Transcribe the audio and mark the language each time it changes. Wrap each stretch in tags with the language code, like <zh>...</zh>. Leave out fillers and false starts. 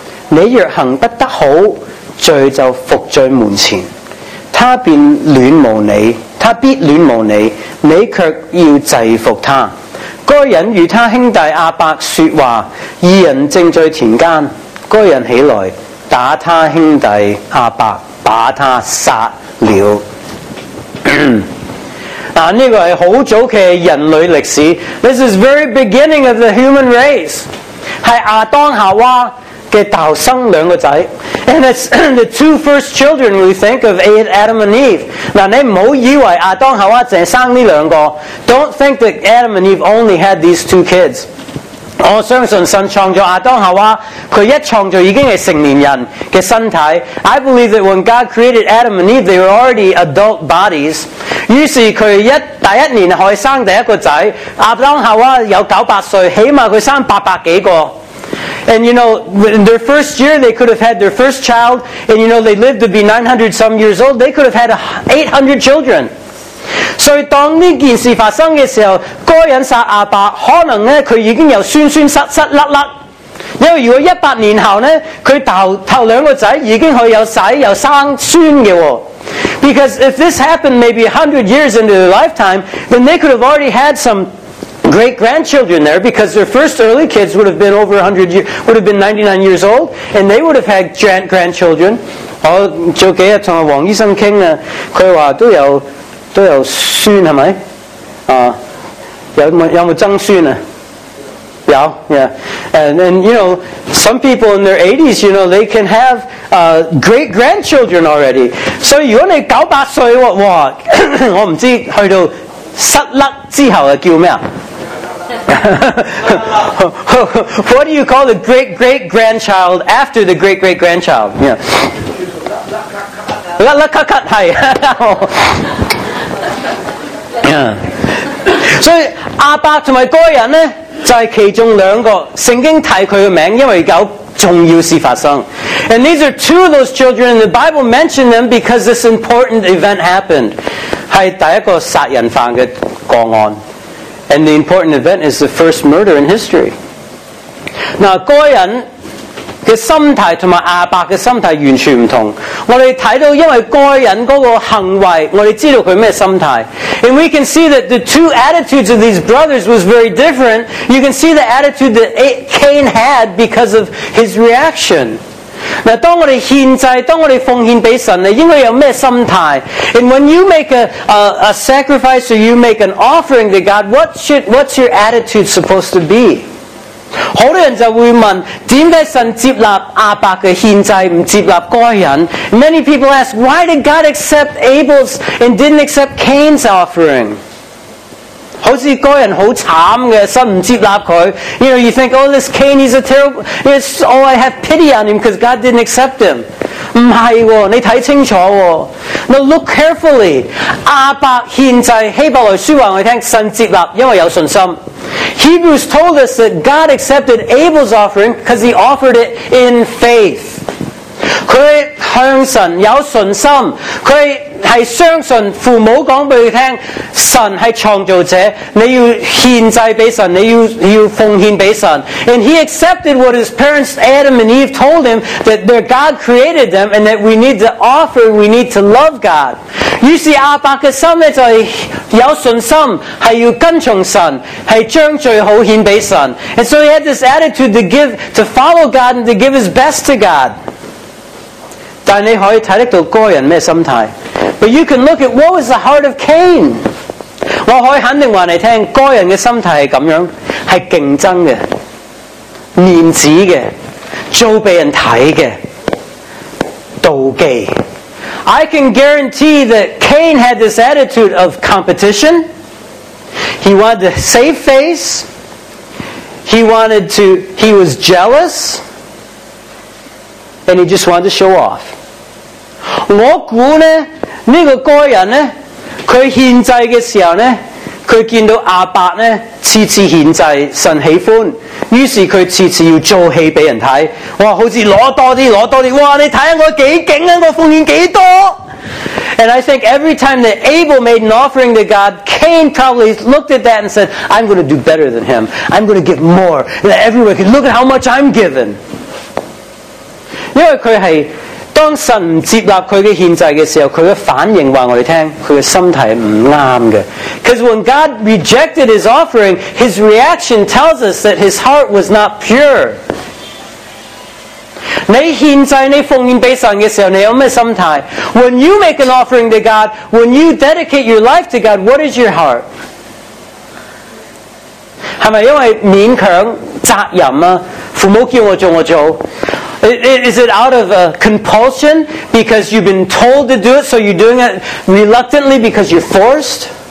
<zh>你若行不得好，罪就伏在门前，他便恋慕你，他必恋慕你，你却要制服他。该人与他兄弟阿伯说话，二人正在田间，该人起来打他兄弟阿伯，把他杀了。这个是很早期的人类历史。</zh> <en>This is very beginning of the human race.</en> <zh>是亚当夏娃的诞生两个仔。</zh> <en>And it's the two first children we think of, Adam and Eve.</en> <zh>你不要以为亚当夏娃只生这两个。</zh> <en>Don't think that Adam and Eve only had these two kids.</en> <zh>我相信神创造亚当夏娃，他一创造已经是成年人的身体。</zh> <en>I believe that when God created Adam and Eve, they were already adult bodies.</en> <zh>於是佢第一年可以生第一個仔，亞當夏娃有900歲，起碼佢生800多個。</zh> <en>And you know, in their first year, they could have had their first child, and you know, they lived to be 900 some years old. They could have had 800 children.</en> <zh>所以當呢件事發生嘅時候，該人殺亞伯，可能咧佢已經有孫孫失失甩甩。因為如果100年後咧，佢頭兩個仔已經可以有仔有生孫嘅喎。</zh> <en>Because if this happened maybe 100 years into their lifetime, then they could have already had some great-grandchildren there, because their first early kids would have been over 100 years, would have been 99 years old, and they would have had grandchildren.</en> <zh>我早幾日同黃醫生傾啊，佢話都有孫係咪？啊，有冇曾孫啊？</zh> <en>Yeah, yeah. And then, you know, some people in their 80s, you know, they can have great-grandchildren already. So, if you're 900 years old, what?</en> <zh>我唔知去到失甩之後啊叫咩啊？</zh> <en>What do you call the great-great-grandchild after the great-great-grandchild? Yeah.</en> <zh>甩甩咳咳係。Yeah. So, 亞伯同埋該人呢？就是其中两个，圣经提他的名字，因为有重要事发生。</zh> <en>And these are two of those children, and the Bible mentioned them because this important event happened.</en> <zh>是第一个杀人犯的个案。</zh> <en>And the important event is the first murder in history.</en> <zh>那该人的心态和亚伯的心态完全不同。我们看到因为该人的行为，我们知道他什么心态。</zh> <en>And we can see that the two attitudes of these brothers was very different. You can see the attitude that Cain had because of his reaction.</en> <zh>那当我们献祭，当我们奉献给神，应该有什么心态？</zh> <en>And when you make a sacrifice or you make an offering to God, what's your attitude supposed to be?</en> <zh>好多人就会问，点解神接纳亚伯的献祭，不接纳该人？</zh> <en>Many people ask, why did God accept Abel's and didn't accept Cain's offering?</en> <zh>好似该人好惨嘅，神唔接纳佢。</zh> <en>You know, you think, oh, this Cain, he's a terrible, it's, oh, I have pity on him because God didn't accept him.</en> <zh>唔系喎，你睇清楚喎。</zh> <en>Now look carefully.</en> <zh>亚伯献祭，希伯来书话我听，神接纳，因为有信心。</zh> <en>Hebrews told us that God accepted Abel's offering because he offered it in faith.</en> <zh>他向神有信心，他是相信父母告诉他，神是创造者，你要献祭给神，你 要奉献给神。</zh> <en>And he accepted what his parents Adam and Eve told him, that their God created them and that we need to offer, we need to love God.</en> <zh>於是亞伯的心就是有信心，是要跟從神，是將最好獻給神。</zh> <en>And so he had this attitude to give, to follow God and to give his best to God.</en> <zh>但你可以看得到該人什麼心態。</zh> <en>But you can look at what was the heart of Cain.</en> <zh>我可以肯定告訴你，該人的心態是這樣，是競爭的，面子的，做給人看的，妒忌。</zh> <en>I can guarantee that Cain had this attitude of competition. He wanted to save face. He was jealous. And he just wanted to show off.</en> <zh>我估呢，这个该人呢，他献祭的时候呢，他见到亚伯呢，次次献祭，神喜欢，于是他次次要做戏给人看，哇，好像拿多点，拿多点，哇，你看我几劲啊，我奉献几多。</zh> <en>And I think every time that Abel made an offering to God, Cain probably looked at that and said, I'm going to do better than him. I'm going to give more. That everyone can look at how much I'm given. Because when God doesn't accept his offering, his reaction tells us that his heart is not right. Because when God rejected his offering, his reaction tells us that his heart was not pure.</en> <zh>你獻祭你奉獻俾神嘅時候，你有咩心態？</zh> <en>When you make an offering to God, when you dedicate your life to God, what is your heart?</en> <zh>係咪因為勉強責任啊？父母叫我做我做？</zh> <en>Is it out of a compulsion because you've been told to do it, so you're doing it reluctantly because you're forced?</en>